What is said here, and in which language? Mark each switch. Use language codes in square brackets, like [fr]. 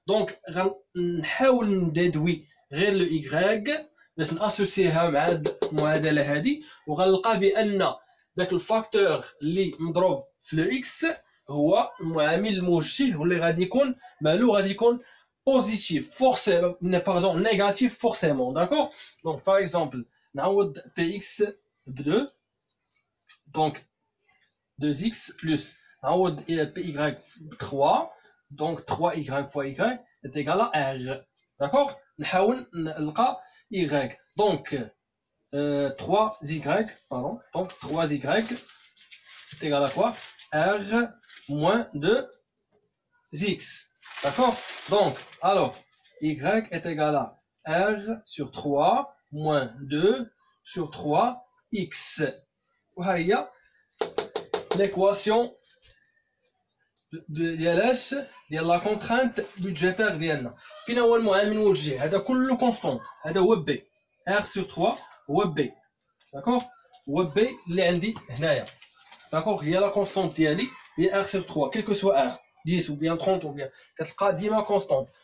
[ar] دونك غنحاول ندادوي غير لو ايغريك باش ناسوسيها مع هاد المعادله هادي، وغنلقى بان داك الفاكتور اللي مضروب في لو اكس هو المعامل الموجه واللي غادي يكون مالو غادي يكون بوزيتيف فورسيمون باردون نيجاتيف فورسيمون، داكور. دونك باغ اكزومبل نعوض بي اكس ب 2، دونك 2 اكس بلس نعوض بي ايغريك ب 3، [fr] donc 3y fois y est égal à r، d'accord. نحاول نلقى y، donc 3y pardon donc 3y est égal à quoi r moins 2x، d'accord. donc alors y est égal à r sur 3 moins 2 sur 3x، [ar] وهي [fr] l'équation de [ar] ديالاش ديال لا كونترينت بودجيتير ديالنا. فين هو المعامل من وجهي؟ هذا كله كونستون، هذا هو بي ار سو 3 هو بي داكور، هو بي اللي عندي هنايا داكور، هي لا كونستون ديالي هي ار سو 3 كيل كو سوا ار 10 او بيان 30 او بيان، كتلقى ديما كونستون.